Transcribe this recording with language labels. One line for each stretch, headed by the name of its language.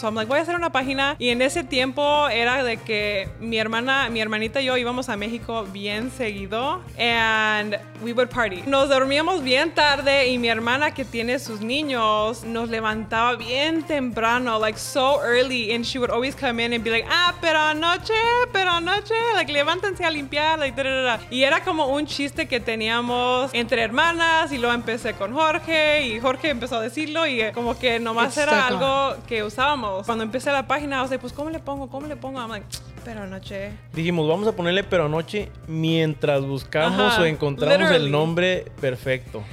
English: So I'm like,
Spanish: voy a hacer una página. Y en ese tiempo era de que mi hermanita y yo íbamos a México bien seguido.
English: And we would party.
Spanish: Nos dormíamos bien tarde y mi hermana, que tiene sus niños, nos levantaba bien temprano,
English: like so early. And she would always come in and be like,
Spanish: ah, pero anoche. Like, levántense a limpiar. Like, da, da, da. Y era como un chiste que teníamos entre hermanas y luego empecé con Jorge y Jorge empezó a decirlo y como que nomás era algo que usábamos. Cuando empecé la página, o sea, pues ¿cómo le pongo?
English: I'm like,
Spanish: pero anoche. Dijimos, vamos a ponerle pero anoche mientras buscamos uh-huh. o encontramos Literally. El nombre perfecto.